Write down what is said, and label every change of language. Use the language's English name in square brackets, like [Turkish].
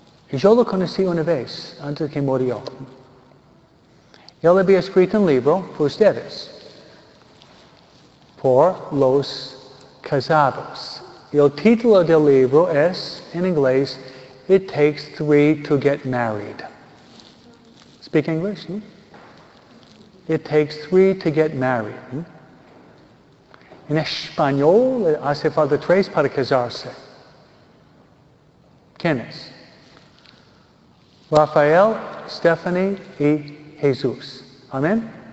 [Spanish] Y yo lo conocí una vez, antes que murió. Y él había escrito un libro por ustedes. Por los casados. El título del libro es, en inglés, [English] It Takes Three to Get Married. Speak English, no? It Takes Three to Get Married. [Spanish] No? En español, hace falta tres para casarse. ¿Quién es? Rafael, Stephanie y Jesús. Amén.